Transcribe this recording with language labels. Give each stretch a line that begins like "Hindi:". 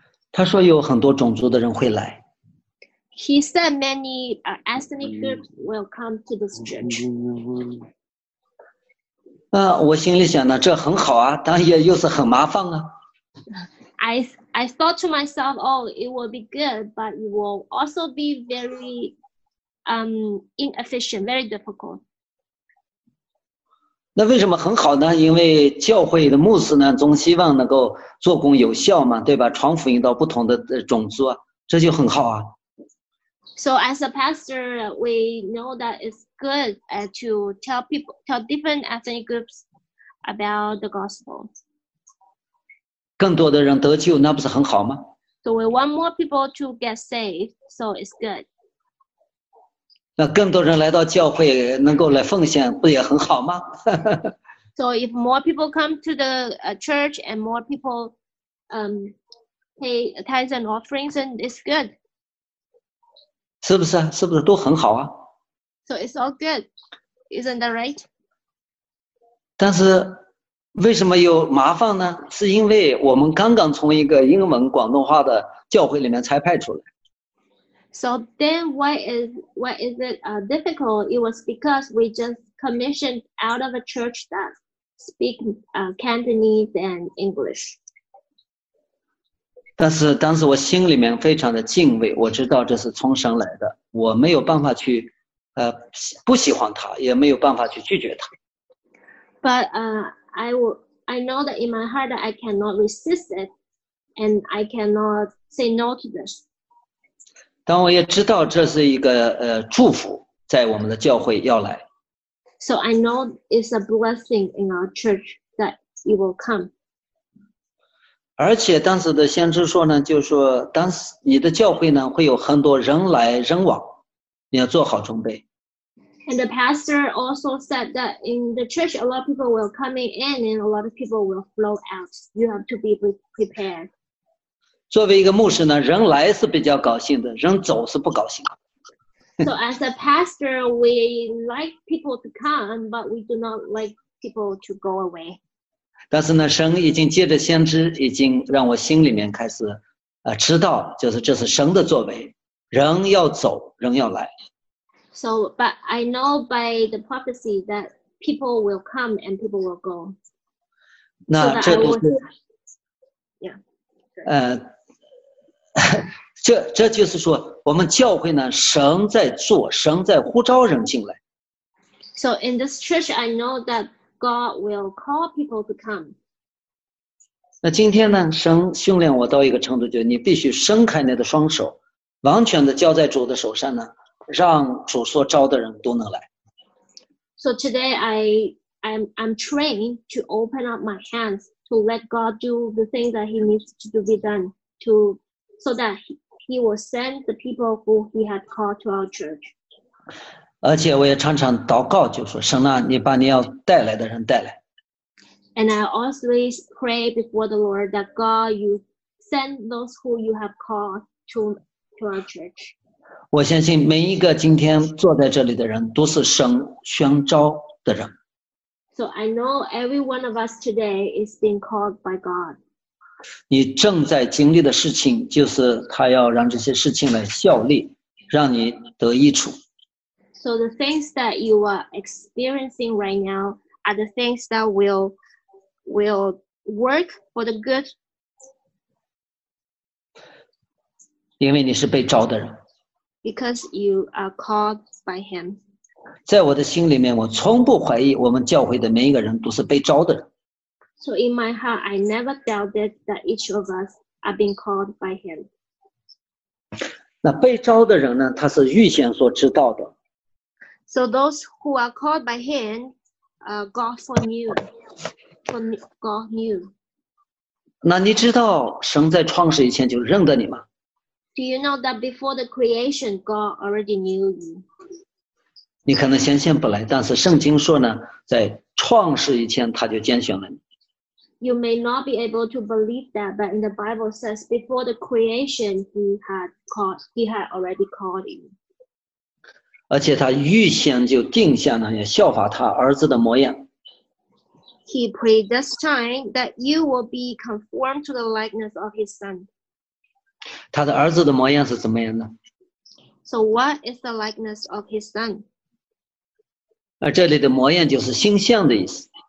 Chinese: 他说有很多种族的人会来。
English: He said many ethnic groups will come to this church.
Chinese: 我心里想呢，这很好啊，但也又是很麻烦啊。
English: I thought to myself, oh, it will be good, but it will also be very, inefficient, very difficult.
Chinese: 那为什么很好呢？因为教会的牧师呢，总希望能够做工有效嘛，对吧？传福音到不同的种族，这就很好啊。
English: So as a pastor, we know that it's good to tell people, tell different ethnic groups about the gospel.
Chinese: 更多的人得救，那不是很好吗？
English: So we want more people to get saved, so it's good.
Chinese: 那更多人来到教会能够来奉献，不也很好吗？
English: So if more people come to the church and more people pay tithes and offerings, then it's good.
Chinese: 是不是？是不是都很好啊？
English: So it's all good, isn't that right?
Chinese: 但是为什么有麻烦呢？是因为我们刚刚从一个英文广东话的教会里面拆派出来。
English: So then why is it difficult? It was because we just commissioned out of a church that speak Cantonese and English.
Chinese: 但是当时我心里面非常的敬畏，我知道这是从神来的，我没有办法去不喜欢他，也没有办法去拒绝他。
English: But I know that in my heart that I cannot resist it, and I cannot say no to this.
Chinese: 但我也知道这是一个祝福，在我们的教会要来。
English: So I know it's a blessing in our church that it will come.
Chinese: 而且当时的先知说呢，就是说当时你的教会呢会有很多人来人往。你要做好准备。
English: And the pastor also said that in the church, a lot of people will come in and a lot of people will flow out. You have to be prepared.
Chinese: 作为一个牧师呢，人来是比较高兴的，人走是不高兴的。
English: So as a pastor, we like people to come, but we do not like people to go away.
Chinese: 但是呢，神已经借着先知，已经让我心里面开始知道，就是这是神的作为。人要走，人要来。
English: So, but I know by the prophecy that people will come and people will go.
Chinese: 那这都是 这就是说，我们教会呢，神在做，神在呼召人进来。
English: So in this church, I know that God will call people to come.
Chinese: 那今天呢，神训练我到一个程度，就是你必须伸开你的双手。完全的交在主的手上呢，让主所招的人都能来。
English: So today I'm trained to open up my hands to let God do the thing that He needs to be done to so that He will send the people who He had called to our church.
Chinese: 而且我也常常祷告，就说神啊，你把你要带来的人带来。
English: And I always pray before the Lord that God you send those who you have called to our church.
Chinese: 我相信每一个今天坐在这里的人都是神宣召的人。
English: So I know every one of us today is being called by God.
Chinese: 你正在经历的事情就是他要让这些事情来效力，让你得益处。
English: So the things that you are experiencing right now are the things that will work for the good.
Chinese: 因为你是被召的人。
English: Because you are called by him.
Chinese: 在我的心里面，我从不怀疑我们教会的每一个人都是被召的人。
English: So in my heart, I never doubted that each of us are being called by him.
Chinese: 那被召的人呢，他是预先所知道的。
English: So those who are called by him, God knew.
Chinese: 那你知道神在创世以前就认得你吗？
English: Do you know that before the creation, God already knew you?
Chinese: 你可能显现不来，但是圣经说呢，在创世以前他就拣选了你。
English: You may not be able to believe that, but in the Bible says before the creation, He had already called you.
Chinese: 而且他预先就定下呢，要效法他儿子的模样。
English: He predestined that you will be conformed to the likeness of His Son.
Chinese: 他的儿子的模样是怎么样的
English: ？So what is the likeness of his son?
Chinese: 而这里的模样就是形象的意思。